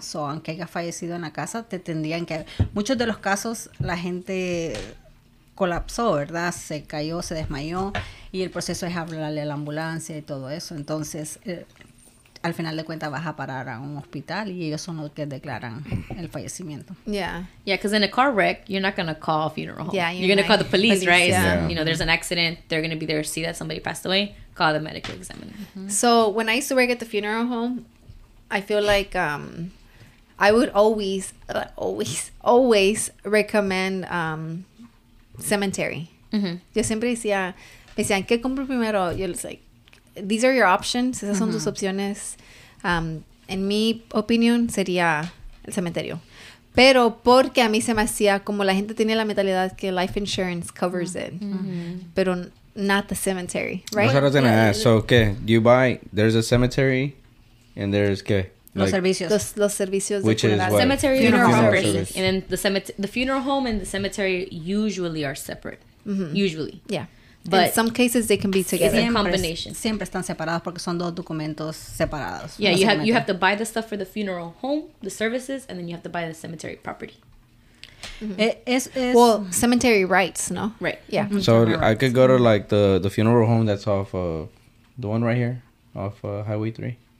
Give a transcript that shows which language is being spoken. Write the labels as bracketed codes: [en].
[es] So, aunque haya fallecido en la casa, te tendrían que... Muchos de los casos, la gente colapsó, ¿verdad? Se cayó, se desmayó, y el proceso es hablarle a la ambulancia y todo eso. Entonces, al final de cuentas, vas a parar a un hospital, y ellos son los que declaran el fallecimiento. [en] Yeah. Yeah, because in a car wreck, you're not going to call a funeral home. Yeah, you're going to call the police, right? Yeah. You know, there's an accident, they're going to be there to see that somebody passed away. Call the medical examiner. Mm-hmm. So when I used to work at the funeral home, I feel like I would always recommend cemetery. Mm-hmm. [es] Yo siempre decía, me decían, ¿qué compro primero? Yo [en] was like, these are your options. [es] Esas son tus opciones. En mi opinión, sería el cementerio. Pero porque a mí se me hacía, como la gente tenía la mentalidad que [en] life insurance covers it. Mm-hmm. Pero not the cemetery, right? That's what I was going to ask. So, okay, you buy, there's a cemetery, and there's, okay. [es] Like, los servicios. Los servicios. [en] Which is what? Cemetery, funeral home. Service. And then the funeral home and the cemetery usually are separate. Mm-hmm. Usually. Yeah. But in some cases, they can be together. It's a combination. [es] Siempre están separados porque son dos documentos separados. [en] Yeah, you have to buy the stuff for the funeral home, the services, and then you have to buy the cemetery property. Mm-hmm. Well, cemetery rights, no? Right. Yeah. So I could go to like the funeral home that's off the one right here off Highway 3.